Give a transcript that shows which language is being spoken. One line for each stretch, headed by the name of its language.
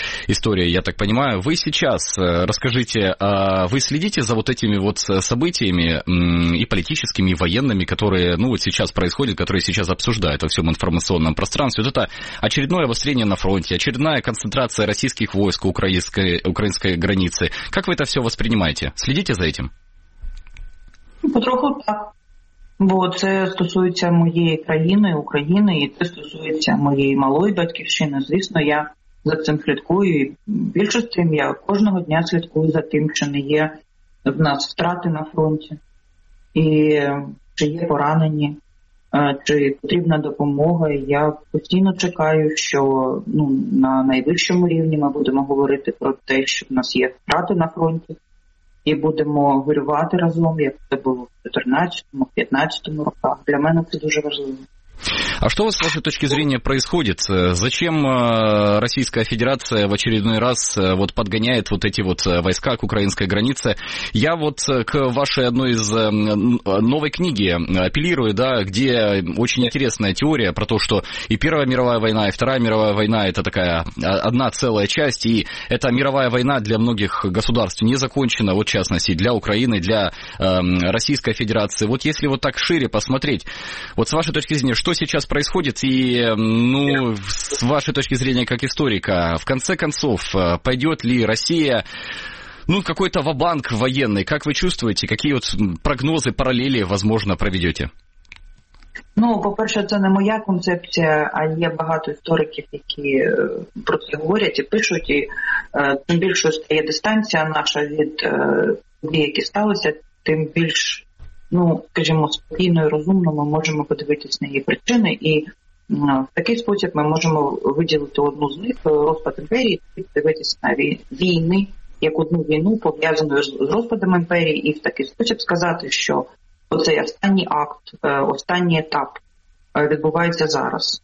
Russian: История, я так понимаю. Вы сейчас, расскажите, вы следите за вот этими вот событиями и политическими, и военными, которые, ну, вот сейчас происходят, которые сейчас обсуждают во всем информационном пространстве? Вот это очередное обострение на фронте, очередная концентрация российских войск у украинской границы. Как вы это все воспринимаете? Следите за этим?
Ukrainian: Потроху так. Бо це стосується моєї країни, України, і це стосується моєї малої батьківщини. Звісно, я за цим слідкую, і більшості я кожного дня слідкую за тим, чи не є в нас втрати на фронті, і чи є поранені, чи потрібна допомога. Я постійно чекаю, що ну, на найвищому рівні ми будемо говорити про те, що в нас є втрати на фронті, і будемо горювати разом, як це було в 2014-2015 роках. Для мене це дуже важливо.
Russian: А что, с вашей точки зрения, происходит? Зачем Российская Федерация в очередной раз вот подгоняет вот эти вот войска к украинской границе? Я вот к вашей одной из новой книги апеллирую, да, где очень интересная теория про то, что и Первая мировая война, и Вторая мировая война – это такая одна целая часть, и эта мировая война для многих государств не закончена, вот в частности, для Украины, для Российской Федерации. Вот если вот так шире посмотреть, вот с вашей точки зрения, что сейчас происходит, и, ну, с вашей точки зрения, как историка, в конце концов, пойдет ли Россия, ну, какой-то ва-банк военный? Как вы чувствуете, какие вот прогнозы, параллели, возможно, проведете?
Ukrainian: Ну, по-перше, це не моя концепція, а є багато істориків, які про це говорять і пишуть, і тим більше стає дистанція наша від подій, які сталися, тим більш, ну, скажімо, спокійно і розумно ми можемо подивитись на її причини, і в такий спосіб ми можемо виділити одну з них, розпад імперії, і подивитись на війни, як одну війну, пов'язану з розпадом імперії, і в такий спосіб сказати, що оцей останній акт, останній етап відбувається зараз.